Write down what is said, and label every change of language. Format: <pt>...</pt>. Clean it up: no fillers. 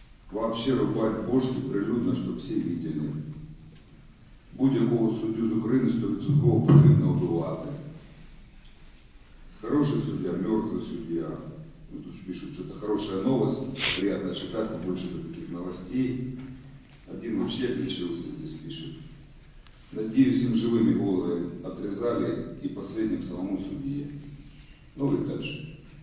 <ru>Вообще рубать бошки прилюдно, чтобы все видели.</ru> <uk>Будь-якого суддю з України 100% потрібно вбивати.</uk> <ru>Хороший суддя, мертвый суддя. Ну, тут пишут, что это хорошая новость. Приятно читать, но больше таких новостей. Один вообще отличился, здесь пишет. Надеюсь, им живыми головы отрезали и последним самому судье. Ну и дальше.</ru>